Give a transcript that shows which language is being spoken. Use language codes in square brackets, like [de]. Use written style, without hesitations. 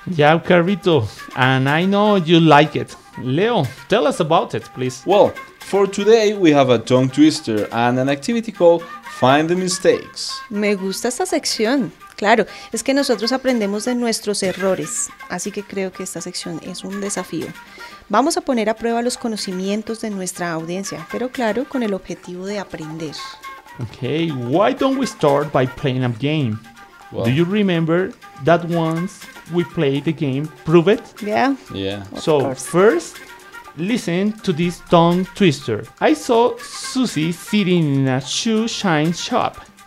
[en] Yeah, Carito, and I know you like it. Leo, tell us about it, please. Well, for today we have a tongue twister and an activity called Find the Mistakes. [es] Me gusta esta sección. Claro, es que nosotros aprendemos de nuestros errores, así que creo que esta sección es un desafío. Vamos a poner a prueba los conocimientos de nuestra audiencia, pero claro, con el objetivo de aprender. [en] Okay, why don't we start by playing a game? Well, do you remember that once we played the game Prove It? Yeah. Yeah. So, first, listen to this tongue twister. I saw Susie sitting in a shoe shine shop.